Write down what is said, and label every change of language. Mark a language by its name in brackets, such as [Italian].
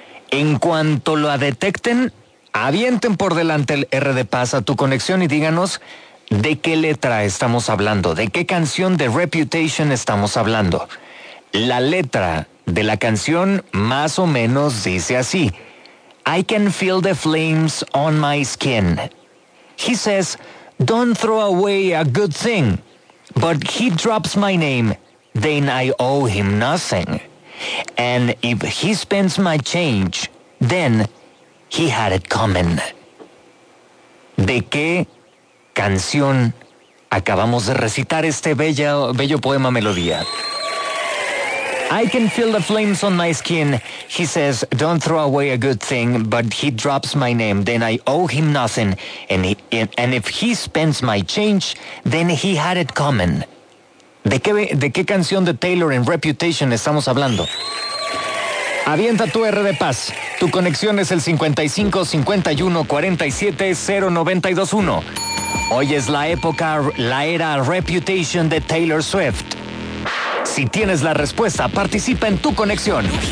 [Spanish] En cuanto lo detecten, avienten por delante el RD Pass a tu conexión y díganos de qué letra estamos hablando, de qué canción de Reputation estamos hablando. La letra de la canción más o menos dice así: [English] I can feel the flames on my skin. He says, don't throw away a good thing. But he drops my name, then I owe him nothing. And if he spends my change, then he had it coming. [Spanish] ¿De qué canción acabamos de recitar este bello poema melodía? [English] I can feel the flames on my skin. He says, don't throw away a good thing, but he drops my name. Then I owe him nothing. And if he spends my change, then he had it coming. [Spanish] ¿De qué canción de Taylor en Reputation estamos hablando? Avienta tu RD Paz. Tu conexión es el 55-51-47-0921. Hoy es la época, la era Reputation de Taylor Swift. Si tienes la respuesta, participa en tu conexión.